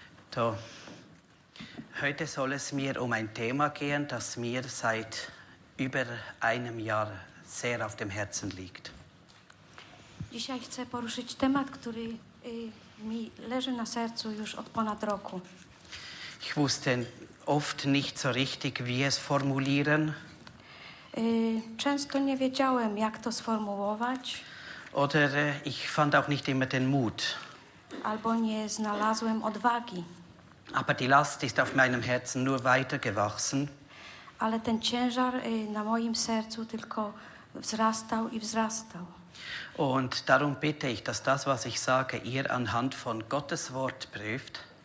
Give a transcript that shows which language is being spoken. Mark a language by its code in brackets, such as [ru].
[de] To heute soll es mir um ein Thema gehen, das mir seit über einem Jahr sehr auf dem Herzen liegt. [pl] Dzisiaj chcę poruszyć temat, który mi leży na sercu już od ponad roku. [de] Ich wusste oft nicht so richtig, wie es formulieren. [pl] Często nie wiedziałem, jak to sformułować. [de] Oder ich fand auch nicht immer den Mut. [pl] Albo nie znalazłem odwagi. [de] Aber die Last ist auf meinem Herzen nur weiter gewachsen. [pl] Ale ten ciężar na moim sercu tylko wzrastał i wzrastał. [de] Und darum bitte ich, dass das, was ich sage, ihr anhand von Gottes Wort prüft.